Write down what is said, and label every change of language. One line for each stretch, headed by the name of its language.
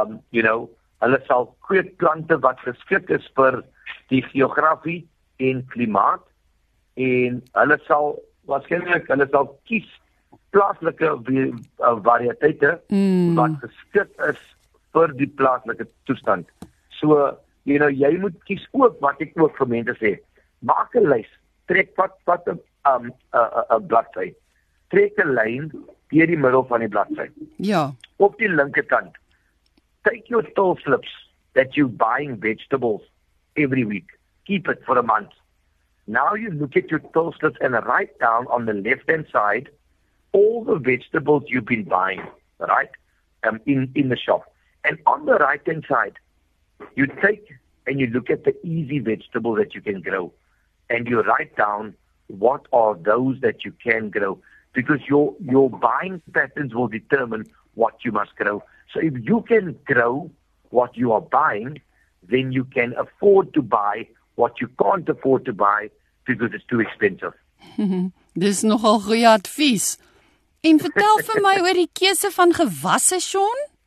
Afrikaans: You know, hulle sal kweek plante wat geskik is vir die geografie en klimaat, en hulle sal waarskynlik kies plaaslike variëteite wat geskik is vir die plaaslike toestand. So, you know, jy moet kies ook wat ek ook vir mense sê. Maak 'n lys, trek wat 'n bladsy. Trek 'n lyn deur die middel van die bladsy. Ja. Op die linkerkant.
English: Take your tall slips that you buying vegetables every week. Keep it for a month. Now you look at your tall slips and write down on the left-hand side all the vegetables you've been buying, right? In the shop. And on the right-hand side, you take and you look at the easy vegetables that you can grow. And you write down what are those that you can grow. Because your buying patterns will determine what you must grow. So if you can grow what you are buying, then you can afford to buy what you can't afford to buy because it's too expensive.
Afrikaans: Dit is nogal goeie advies. En vertel vir my oor die keuse van gewasse, Sean.